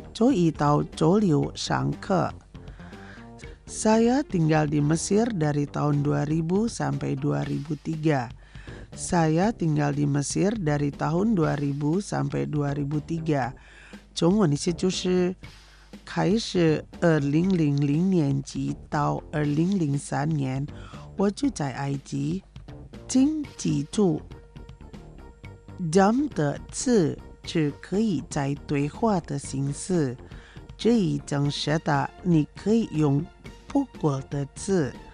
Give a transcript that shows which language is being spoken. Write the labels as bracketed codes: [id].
[zh] 中文意思就是他周一到周六上课。 [id] Saya tinggal di Mesir dari tahun 2000 sampai 2003. Saya tinggal di Mesir dari tahun 2000 sampai 2003. [zh] 中文意思就是开始 2000 年级 到 2003 年， 我住在埃及。请记住， jam 的字只可以在对话的形式， 这一整式的你可以用pukul的字。